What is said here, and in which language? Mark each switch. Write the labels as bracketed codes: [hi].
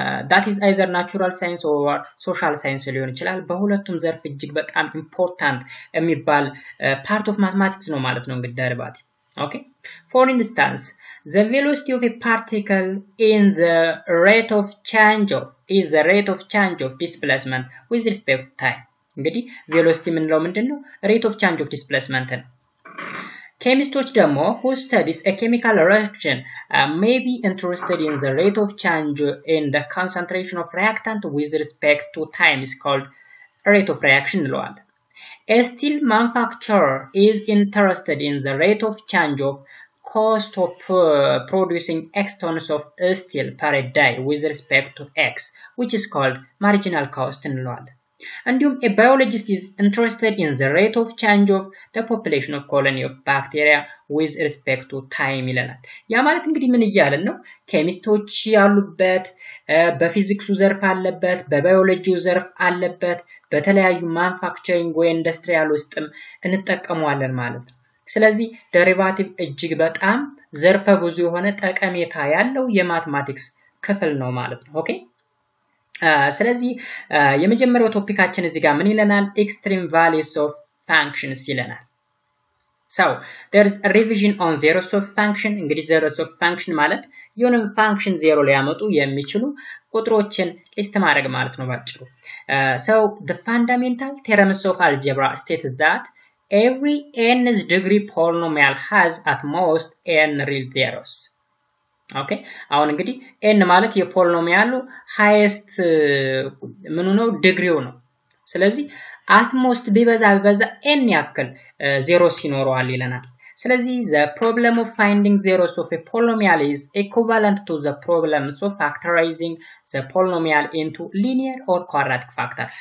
[en] ዳት ኢዝ አይዘር ናቹራል ሳይንስ ኦር ሶሻል ሳይንስ [am] ሊሆን ይችላል። በሁለቱም ዘርፍ እጅግ በጣም [en] ኢምፖርታንት [am] የሚባል [en] ፓርት ኦፍ ማቴማቲክስ [am] ነው ማለት ነው እንግዲህ [en] ዴሪቫቲቭ። ኦኬ ፎር ኢንስታንስ the velocity of a particle in the rate of change of is the rate of change of displacement with respect to time. [am] እንግዲህ velocity ምንለው ምንድነው? [en] rate of change of displacement [am] ነው። ኬሚስቶች ደግሞ [en] who studies a chemical reaction may be interested in the rate of change in the concentration of reactant with respect to time is called rate of reaction [am] ይለዋል። [en] a steel manufacturer is interested in the rate of change of cost of producing x tons of steel per day with respect to x which is called marginal cost in law. And a biologist is interested in the rate of change of the population of colony of bacteria with respect to time [am] ይላል። ያ ማለት እንግዲህ ምን ይያለን ነው? ኬሚስቶች ያሉበት በፊዚክሱ ዘርፍ አለበት፣ በባዮሎጂው ዘርፍ አለበት፣ በተለያዩ ማንፋክቸሪንግ ወይ ኢንዱስትሪያል ውስጥም እንጠቀመዋለን ማለት ነው። ስለዚህ ዴሪቫቲቭ እጅግ በጣም ዘርፈ ብዙ የሆነ ጠቀሜታ ያለው የማቴማቲክስ ክፍል ነው ማለት ነው። ኦኬ ስለዚህ የመጀመሪያው ቶፒካችን እዚህ ጋር ምን ይለናል? [en] ኤክስትሪም ቫልዩስ ኦፍ ፋንክሽንስ [am] ይለናል። [en] ሶ ዴርስ ሪቪዥን ኦን ዜሮስ ኦፍ ፋንክሽን። [am] እንግዲህ ዜሮስ ኦፍ ፋንክሽን ማለት የሆነ ፋንክሽን ዜሮ ሊያመጡ የሚችሉ ቁጥሮችን ሊስት ማድረግ ማለት ነው ባጭሩ። [en] ሶ ዘ ፋንዳሜንታል ቴረምስ ኦፍ አልጀብራ ስቴትስ ዳት every n's degree polynomial has at most n real zeros. [am] ኦኬ አሁን እንግዲህ n ማለት የፖሊኖሚያሉ highest ምኑ ነው? ዲግሪው ነው። ስለዚህ [en] at most [am] ቢበዛ ቢበዛ n ያክል zeros ይኖረዋል ይለናል። [en] ስለዚህ the problem of finding zeros of a polynomial is equivalent to the problem of factorizing the polynomial into linear or quadratic factor.